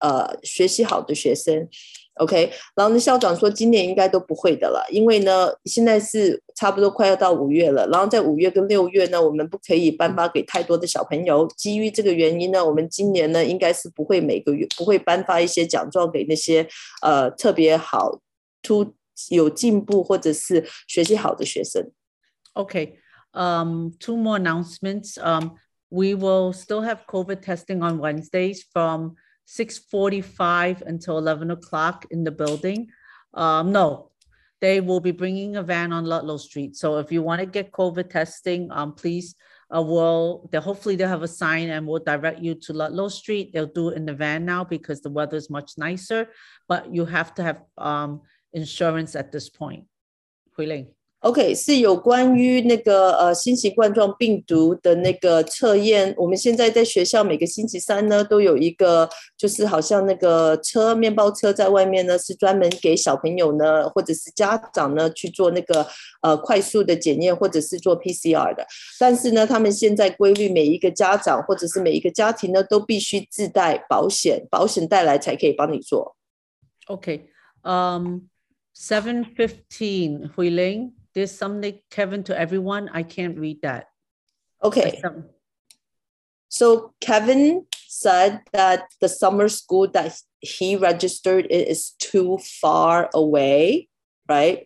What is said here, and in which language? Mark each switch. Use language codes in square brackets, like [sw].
[zh] 这个家长问呢，我们现在还不会有一些，好像每个月都是颁发一些奖状给一些，就是学习好的学生。OK， 然后呢，校长说今年应该都不会的了，因为呢，现在是差不多快要到五月了，然后在五月跟六月呢，我们不可以颁发给太多的小朋友。基于这个原因呢，我们今年呢，应该是不会颁发一些奖状给那些特别好，有进步或者是学习好的学生。OK， [en] two more announcements. We will still have COVID testing on Wednesdays from 6:45 until 11 o'clock in the building. No, they will be bringing a van on Ludlow Street. So if you want to get COVID testing, please, hopefully they'll have a sign and we'll direct you to Ludlow Street. They'll do it in the van now because the weather is much nicer, but you have to have insurance at this point. Huiling. [zh] OK， 是有关于那个新型冠状病毒的那个测验。我们现在在学校每个星期三呢，都有一个就是好像那个车面包车在外面呢，是专门给小朋友呢或者是家长呢去做那个快速的检验或者是做 PCR 的。但是呢，他们现在规律每一个家长或者是每一个家庭呢，都必须自带保险，保险带来才可以帮你做。 OK， 7:15， 慧玲。 [en] There's something, Kevin, to everyone. I can't read that. Okay. So Kevin said that the summer school that he registered is too far away, right?